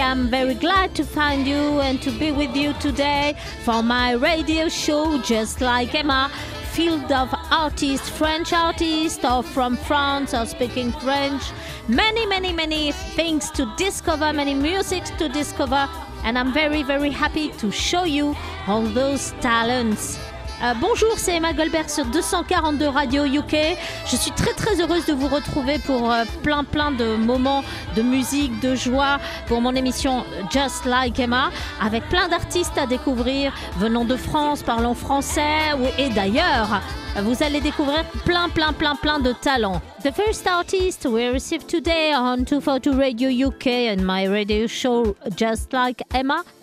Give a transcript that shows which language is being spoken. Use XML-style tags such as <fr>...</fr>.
<en>I'm very glad to find you and to be with you today for my radio show, Just Like Emma, filled of artists, French artists or from France or speaking French. Many things to discover, many music to discover, and I'm very, very happy to show you all those talents.</en> <fr>Bonjour, c'est Emma Goldberg sur 242 Radio UK. Je suis très très heureuse de vous retrouver pour plein de moments de musique, de joie pour mon émission Just Like Emma, avec plein d'artistes à découvrir venant de France, parlant français et d'ailleurs. Vous allez découvrir plein de talents.</fr> <en>The first artist we receive today on 242 Radio UK and my radio show Just Like Emma.</en>